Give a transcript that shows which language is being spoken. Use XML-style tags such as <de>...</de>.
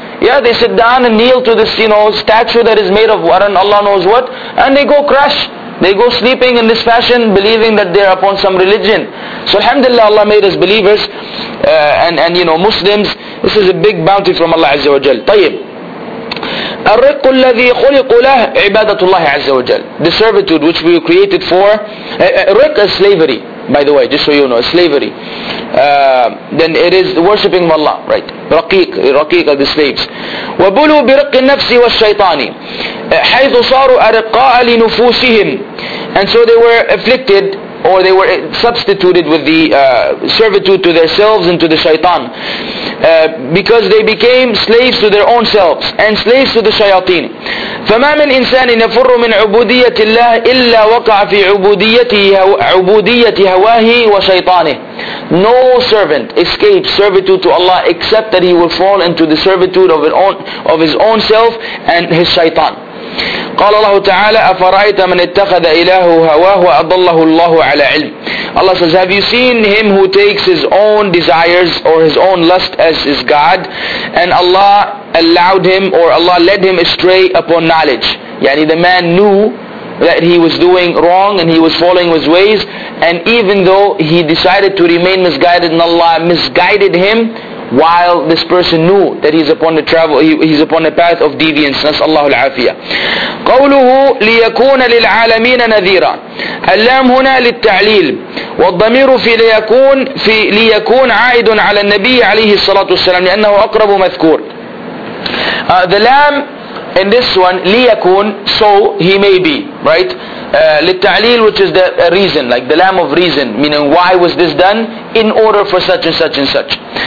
<en>Yeah, they sit down and kneel to this, you know, statue that is made of what and Allah knows what, and they go crash. They go sleeping in this fashion, believing that they're upon some religion. So alhamdulillah, Allah made us believers, and you know, Muslims. This is a big bounty from Allah Azza wa Jal.</en> <ar>طيب. الرق الذي خلق له عبادة الله عز وجل.</ar> <en>The servitude which we were created for. رق is slavery, by the way, just so you know, slavery. Then it is worshipping Allah, right? رقيق are the slaves.</en> <ar>وبلوا برق النفس والشيطان حيث صاروا أرقاء لنفوسهم.</ar> <en>And so they were afflicted or they were substituted with the servitude to themselves and to the shaitan, because they became slaves to their own selves and slaves to the shayateen.</en> <ar>فَمَا مِنْ إِنسَانٍ يَفُرُّ مِنْ عُبُودِيَّةِ اللَّهِ إِلَّا وَقَعَ فِي عُبُودِيَّةِ هَوَاهِ وَشَيْطَانِهِ.</ar> <en>No servant escapes servitude to Allah except that he will fall into the servitude of his own self and his shaitan.</en> <ar>قال الله تعالى أفرأيت من اتخذ إلهه هواه وأضله الله على علم.</ar> <en>Allah says, have you seen him who takes his own desires or his own lust as his God, and Allah allowed him or Allah led him astray upon knowledge. يعني the man knew that he was doing wrong and he was following his ways, and even though he decided to remain misguided and Allah misguided him, while this person knew that he's upon the travel, he's upon the path of deviance.</en> <ar>نسأل الله العافية. قوله ليكون للعالمين نذيرا. اللام هنا للتعليل. والضمير في ليكون في ليكون عائد على النبي عليه الصلاة والسلام لأنه أقرب مذكور.</ar> <en>The lam in this one ليكون, so he may be, right? للتعليل, which is the reason, like the lamb of reason, meaning why was this done, in order for such and such and such.</en>